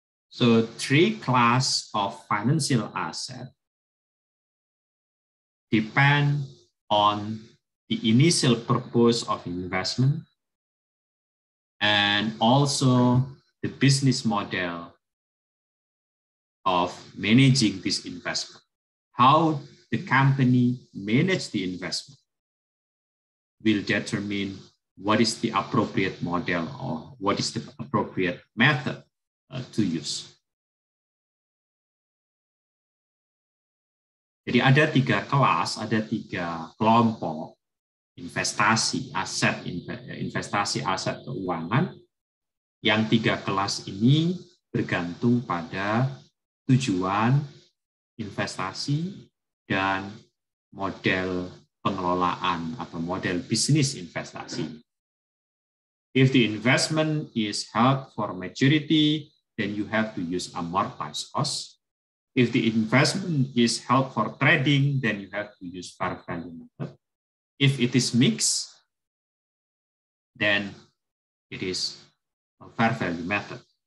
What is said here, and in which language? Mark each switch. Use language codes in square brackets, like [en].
[en] So three class of financial asset depend on the initial purpose of investment and also the business model of managing this investment. How the company manage the investment will determine what is the appropriate model or what is the appropriate method to use. [id] Jadi ada tiga kelas, ada tiga kelompok investasi aset keuangan. Yang tiga kelas ini bergantung pada tujuan investasi dan model pengelolaan atau model bisnis investasi. [en] If the investment is held for maturity, then you have to use amortized cost. If the investment is held for trading, then you have to use fair value method. If it is mixed, then it is a fair value method.